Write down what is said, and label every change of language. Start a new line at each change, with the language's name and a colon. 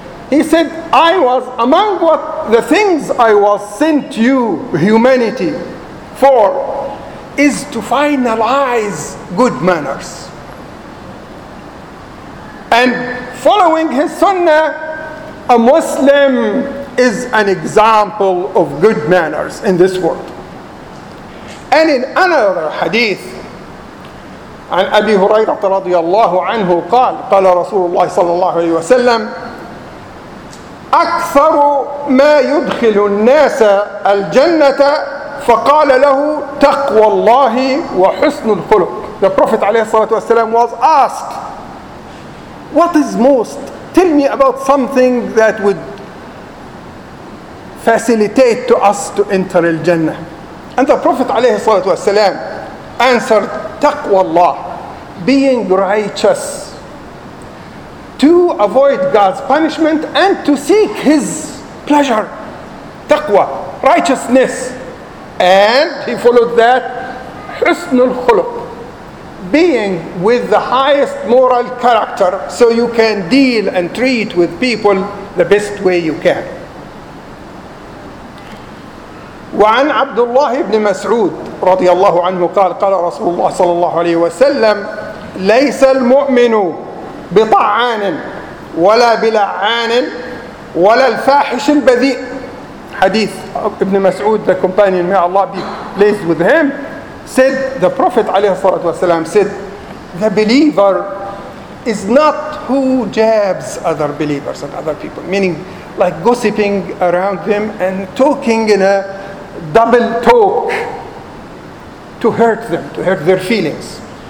English: He said, I was among what the things I was sent to you, humanity, for, is to finalize good manners. And following his sunnah, a Muslim is an example of good manners in this world. And in another hadith,
Arabic: عن أبي هريرة رضي الله عنه قال, قال رسول الله صلى الله عليه وسلم, أكثر ما يدخل الناس الجنة فقال له تقوى الله وحسن الخلق.
English: The Prophet
Arabic: عليه الصلاة والسلام
English: was asked, what is most? Tell me about something that would facilitate to us to enter al-Jannah. And the Prophet
Arabic: عليه الصلاة والسلام
English: answered,
Arabic: تقوى الله,
English: being righteous, to avoid God's punishment and to seek His pleasure. Taqwa, righteousness. And he followed that, Husnul Khuluq, being with the highest moral character so you can deal and treat with people the best way you can.
Arabic: وعن عبد الله بن مسعود رضي الله عنه قال قال رسول الله صلى الله عليه وسلم ليس المؤمن بطعان ولا بلعان ولا الفاحش البذيء.
English: Hadith Ibn Mas'ud, the companion, may Allah be pleased with him, said, the Prophet
Arabic: عليه الصلاة والسلام
English: said, the believer is not who jabs other believers and other people, meaning like gossiping around them and talking in a double talk to hurt them, to hurt their feelings.